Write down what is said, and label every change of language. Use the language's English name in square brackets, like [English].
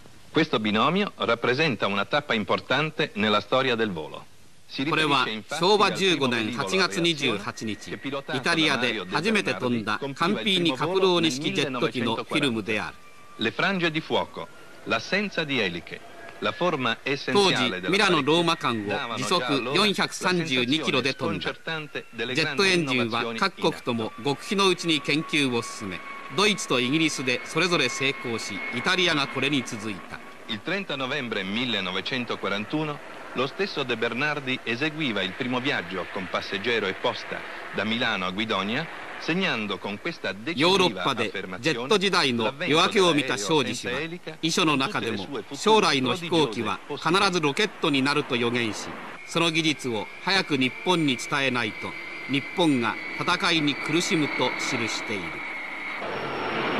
[Italian] Questo binomio rappresenta una tappa importante nella storia del volo. [Japanese] これは昭和15年8月28日イタリアで初めて飛んだカンピーニ・カプローニ式ジェット機のフィルムである。 [Italian] Le frange di fuoco, l'assenza di eliche. [Japanese] 当時ミラノローマ間を時速432キロで飛んだ。ジェットエンジンは各国とも極秘のうちに研究を進め、ドイツとイギリスでそれぞれ成功し、イタリアがこれに続いた。 [Italian] Il 30 novembre 1941 lo stesso De Bernardi eseguiva il primo viaggio con passeggero e posta da Milano a Guidonia, segnando con questa decisiva affermazione l'avvento dell'aereo senza elica e tutte le sue future prodigiose possibilità. [Japanese] その技術を早く日本に伝えないと日本が戦いに苦しむと記している。